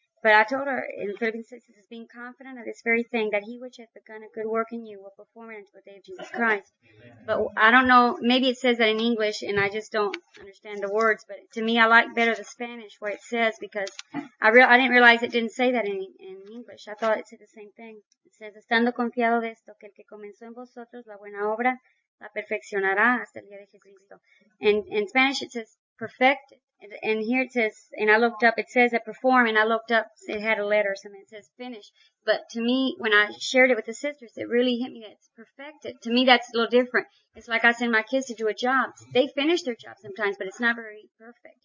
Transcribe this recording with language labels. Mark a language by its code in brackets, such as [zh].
[en] But I told her in Philippians 6, it says, being confident of this very thing, that he which hath begun a good work in you will perform it until the day of Jesus Christ. But I don't know, maybe it says that in English, and I just don't understand the words. But to me, I like better the Spanish, where it says, because I didn't realize it didn't say that in English. I thought it said the same thing. It says, [es] estando confiado de esto, que el que comenzó en vosotros la buena obra, la perfeccionará hasta el día de Jesucristo. [en] And in Spanish, it says, perfect. And here it says, and I looked up, it says that perform, and I looked up, it had a letter or something, it says finish. But to me, when I shared it with the sisters, it really hit me that it's perfected. To me, that's a little different. It's like I send my kids to do a job. They finish their job sometimes, but it's not very perfect.